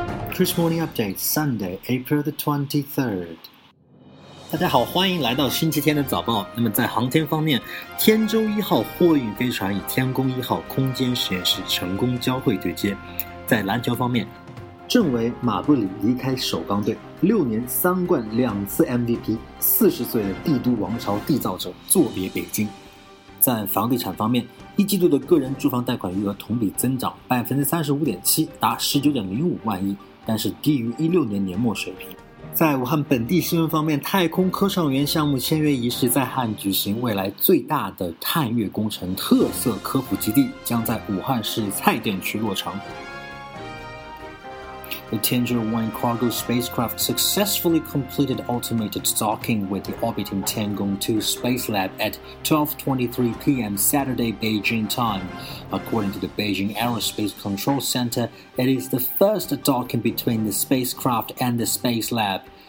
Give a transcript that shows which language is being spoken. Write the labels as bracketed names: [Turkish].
[English] Chris Morning Update Sunday, April the 23rd. [Chinese] 大家好，欢迎来到星期天的早报。那么在航天方面，天舟一号货运飞船与天宫一号空间实验室成功交会对接。在篮球方面，郑伟马布里离开首钢队，6年3冠2次 MVP， 40岁的帝都王朝缔造者作别北京。在房地产方面，一季度的个人住房贷款余额同比增长35.7%，达19.05万亿，但是低于16年年末水平。在武汉本地新闻方面，太空科创园项目签约仪式在汉举行，未来最大的探月工程特色科普基地将在武汉市蔡甸区落成。 [English] The Tianzhou-1 cargo spacecraft successfully completed automated docking with the orbiting Tiangong-2 space lab at 12:23 p.m. Saturday Beijing time. According to the Beijing Aerospace Control Center, it is the first docking between the spacecraft and the space lab.